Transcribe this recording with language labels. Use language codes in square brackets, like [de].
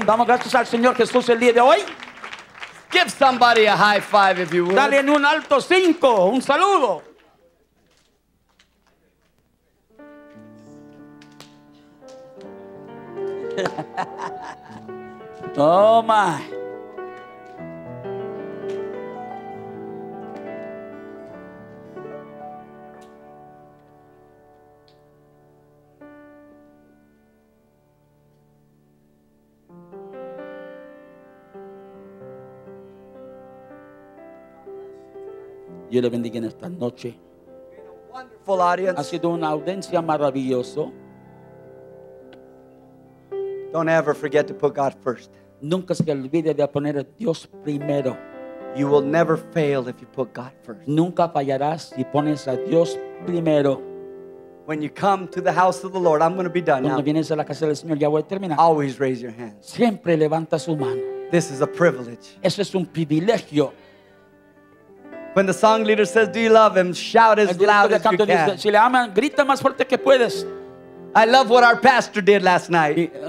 [es] Damos gracias al Señor Jesús el día de hoy. [en] Give somebody a high five if you would. [es] Dale un alto cinco, un saludo. [en] Oh my. [es] Dios le bendiga en esta noche. [en] Wonderful audience. [es] Ha sido una audiencia maravillosa. [en] Don't ever forget to put God first. [es] Nunca se olvide de poner a Dios primero. [en] You will never fail if you put God first. [es] Nunca fallarás si pones a Dios primero. [en] When you come to the house of the Lord, I'm going to be done. [es] Cuando vienes a la casa del Señor, ya voy a terminar. [en] Always raise your hands. [es] Siempre levanta su mano. [en] This is a privilege. [es] Eso es un privilegio. [en] When the song leader says, "Do you love him?" Shout as loud as you can. [es] Si le aman, grita más fuerte que puedes. [en] I love what our pastor did last night.